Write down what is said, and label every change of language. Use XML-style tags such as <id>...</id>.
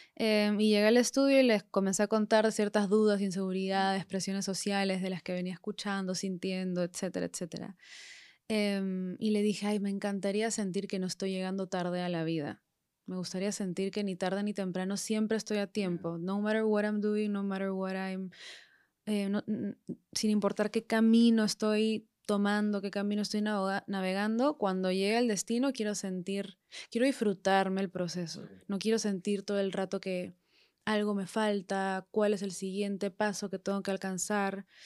<es>Y llegué al estudio y les comencé a contar ciertas dudas, inseguridades, presiones sociales de las que venía escuchando, sintiendo, etcétera, etcétera. Y le dije, ay, me encantaría sentir que no estoy llegando tarde a la vida. Me gustaría sentir que ni tarde ni temprano siempre estoy a tiempo.</es> <en>No matter what I'm doing, no matter what I'm...</en> <es>sin importar qué camino estoy tomando, qué camino estoy navegando, cuando llegue el destino quiero disfrutarme el proceso. No quiero sentir todo el rato que algo me falta, cuál es el siguiente paso que tengo que alcanzar.</es>